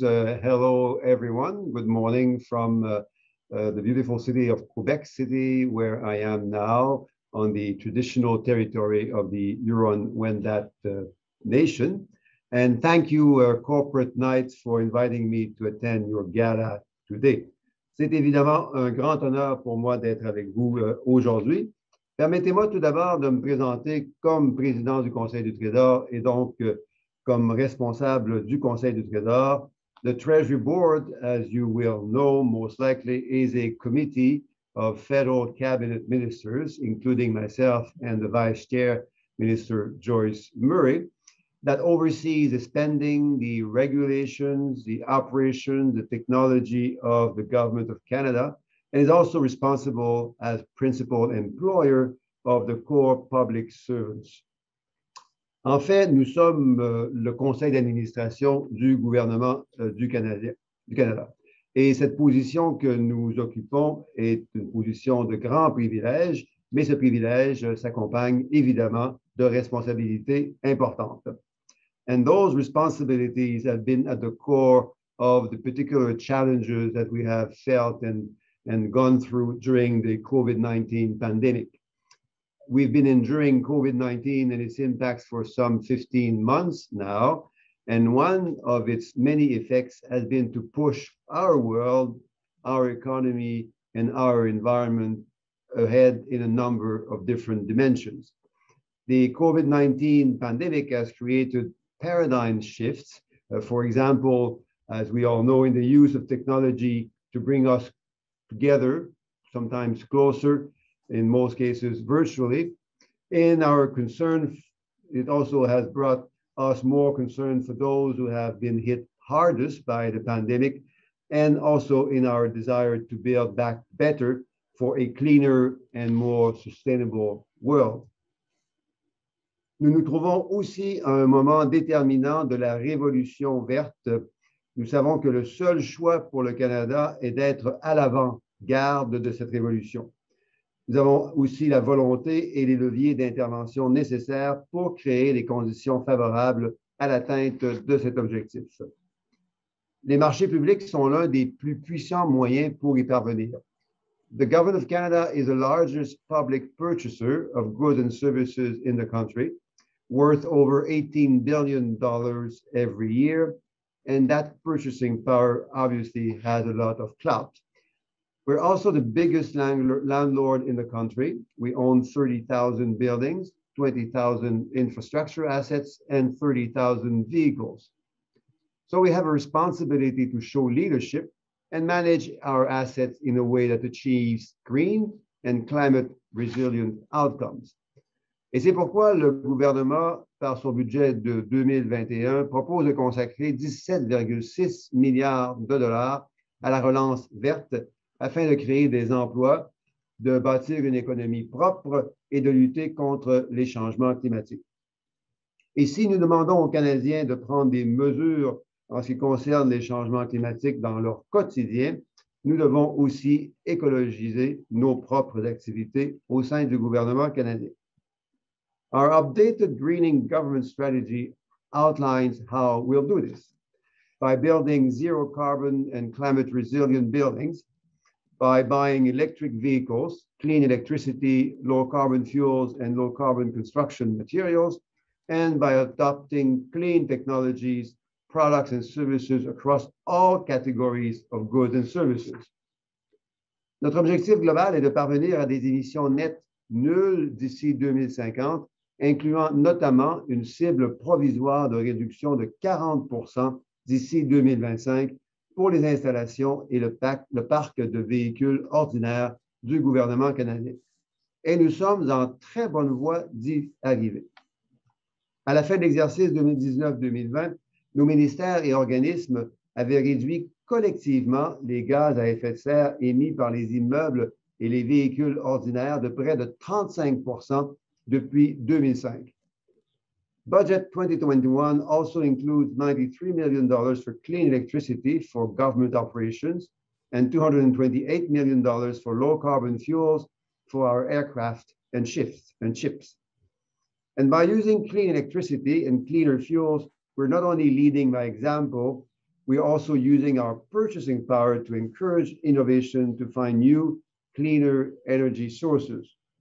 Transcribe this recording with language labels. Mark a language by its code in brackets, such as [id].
[en] Hello, everyone. Good morning from the beautiful city of Quebec City, where I am now on the traditional territory of the Huron-Wendat nation. And thank you, Corporate Knights, for inviting me to attend your gala today. [fr] C'est évidemment un grand honneur pour moi d'être avec vous aujourd'hui. Permettez-moi tout d'abord de me présenter comme président du Conseil du Trésor et donc comme responsable du Conseil du Trésor [en] The Treasury Board, as you will know, most likely is a committee of federal cabinet ministers, including myself and the Vice Chair, Minister Joyce Murray, that oversees the spending, the regulations, the operation, the technology of the Government of Canada, and is also responsible as principal employer of the core public servants. [fr] En fait, nous sommes le conseil d'administration du gouvernement du Canada. Et cette position que nous occupons est une position de grand privilège, mais ce privilège s'accompagne évidemment de responsabilités importantes. [en] And those responsibilities have been at the core of the particular challenges that we have felt and gone through during the COVID-19 pandemic. We've been enduring COVID-19 and its impacts for some 15 months now. And one of its many effects has been to push our world, our economy, and our environment ahead in a number of different dimensions. The COVID-19 pandemic has created paradigm shifts. For example, as we all know, in the use of technology to bring us together, sometimes closer, in most cases virtually. In our concern, it also has brought us more concern for those who have been hit hardest by the pandemic, and also in our desire to build back better for a cleaner and more sustainable world. [fr] Nous nous trouvons aussi à un moment déterminant de la révolution verte. Nous savons que le seul choix pour le Canada est d'être à l'avant-garde de cette révolution. Nous avons aussi la volonté et les leviers d'intervention nécessaires pour créer les conditions favorables à l'atteinte de cet objectif. Les marchés publics sont l'un des plus puissants moyens pour y parvenir. [en] The Government of Canada is the largest public purchaser of goods and services in the country, worth over $18 billion every year, and that purchasing power obviously has a lot of clout. We're also the biggest landlord in the country. We own 30,000 buildings, 20,000 infrastructure assets, and 30,000 vehicles. So we have a responsibility to show leadership and manage our assets in a way that achieves green and climate resilient outcomes. [fr] Et c'est pourquoi le gouvernement, par son budget de 2021, propose de consacrer 17,6 milliards de dollars à la relance verte afin de créer des emplois, de bâtir une économie propre et de lutter contre les changements climatiques. Et si nous demandons aux Canadiens de prendre des mesures en ce qui concerne les changements climatiques dans leur quotidien, nous devons aussi écologiser nos propres activités au sein du gouvernement canadien. [en] Our updated greening government strategy outlines how we'll do this. By building zero carbon and climate resilient buildings, by buying electric vehicles, clean electricity, low carbon fuels, and low carbon construction materials, and by adopting clean technologies, products, and services across all categories of goods and services. [fr] Notre objectif global est de parvenir à des émissions nettes nulles d'ici 2050, incluant notamment une cible provisoire de réduction de 40% d'ici 2025 pour les installations et le parc de véhicules ordinaires du gouvernement canadien. Et nous sommes en très bonne voie d'y arriver. À la fin de l'exercice 2019-2020, nos ministères et organismes avaient réduit collectivement les gaz à effet de serre émis par les immeubles et les véhicules ordinaires de près de 35% depuis 2005. [en] Budget 2021 also includes $93 million for clean electricity for government operations and $228 million for low carbon fuels for our aircraft and ships. And by using clean electricity and cleaner fuels, we're not only leading by example, we're also using our purchasing power to encourage innovation to find new, cleaner energy sources.